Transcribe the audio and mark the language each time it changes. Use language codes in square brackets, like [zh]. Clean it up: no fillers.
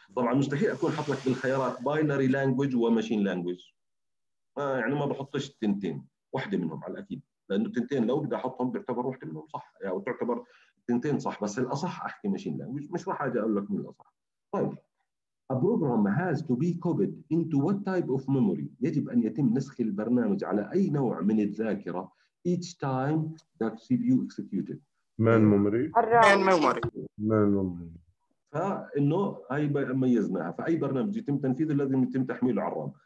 [ar] طبعا مستحيل اكون حاط لك بالخيارات باينري لانجويج وماشين لانجويج، يعني ما بحطش التنتين، واحده منهم على الاكيد، لانه التنتين لو بدي احطهم بيعتبر واحده منهم صح، او يعني تعتبر التنتين صح، بس الاصح احكي ماشين لانجويج، مش راح اجي اقول لك من الاصح. طيب [en] A program has to be copied into what type of memory؟ [ar] يجب أن يتم نسخ البرنامج على أي نوع من الذاكرة [en] each time that CPU executed. Main memory. Main memory. Main memory. [ar] فإنه هاي ميزناها، فأي برنامج يتم تنفيذه لازم يتم تحميله على الرام.